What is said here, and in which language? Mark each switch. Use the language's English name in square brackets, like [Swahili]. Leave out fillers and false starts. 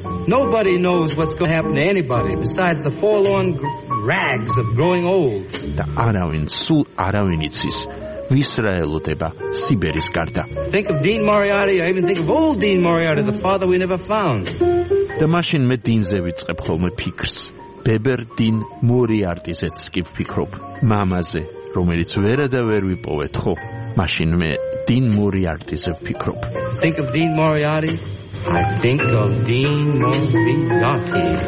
[English] Nobody knows what's going to happen to anybody besides the forlorn rags of growing old. [Georgian] და არავინ სულ არავინ იცის ვის რა ელოდება სიბერის გარდა. [English] Think of Dean Moriarty, I even think of old Dean Moriarty, the father we never found. [Georgian] და მაშინ მე დინზე ვიწყებ ხოლმე ფიქრს. ბებერ დინ მორიარტიზეც კი ვფიქრობ. მამაზე, რომელიც ვერა და ვერ ვიპოვეთ ხო? მაშინ მე დინ მორიარტიზე ვფიქრობ. [English] Think of Dean Moriarty. I think of Dean Moriarty.